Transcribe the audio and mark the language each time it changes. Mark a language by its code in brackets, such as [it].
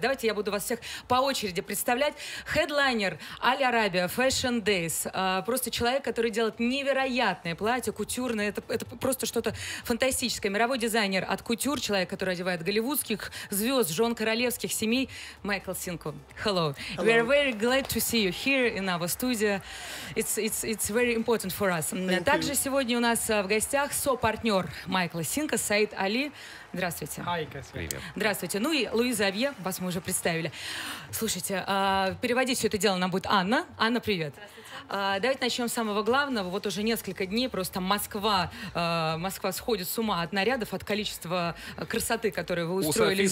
[ru] Давайте я буду вас всех по очереди представлять. Хедлайнер Al-Arabia Fashion Days. Просто человек, который делает невероятное платье, кутюрное. Это просто что-то фантастическое. Мировой дизайнер от кутюр, человек, который одевает голливудских звезд, жен королевских семей, Майкл Синку. [en] Hello. Hello. We are very glad to see you here in our studio. It's very important for us. Thank [ru] Также [en] you. [ru] Сегодня у нас в гостях со-партнер Майкла Синка, Саид Али. Здравствуйте. [en] Hi, guys. [ru] Привет. Здравствуйте. Ну и Луиза Авье, вас мы уже представили. Слушайте, переводить все это дело нам будет Анна. Анна, привет. Давайте начнем с самого главного. Вот уже несколько дней просто Москва сходит с ума от нарядов, от количества красоты, которые вы устроили здесь.